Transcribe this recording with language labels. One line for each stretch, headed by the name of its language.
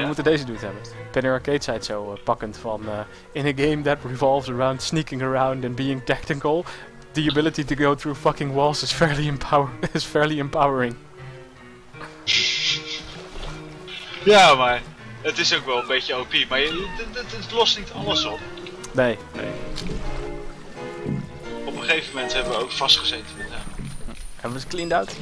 Dutch: we moeten deze dude hebben. Penny Arcade zei het zo pakkend van...
English: In a game that revolves around sneaking around and being tactical... The ability to go through fucking walls is fairly, is fairly empowering.
Dutch: Ja, maar... Het is ook wel een beetje OP, maar het lost niet alles op. Nee. Op een gegeven moment hebben we ook vastgezeten met hem. Hebben we het cleaned out?